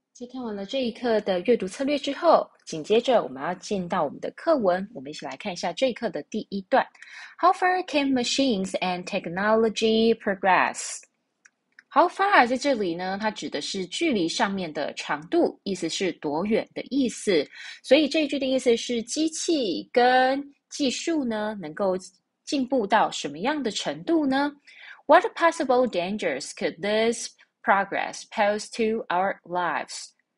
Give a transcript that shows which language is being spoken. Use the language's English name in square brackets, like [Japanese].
[Chinese] 看完了这一课的阅读策略之后，紧接着我们要进到我们的课文，我们一起来看一下这一课的第一段。 [English] How far can machines and technology progress? How far [Chinese] 在这里呢？它指的是距离上面的长度，意思是多远的意思。所以这一句的意思是机器跟技术呢，能够进步到什么样的程度呢？ [English] What possible dangers could this progress pose to our lives？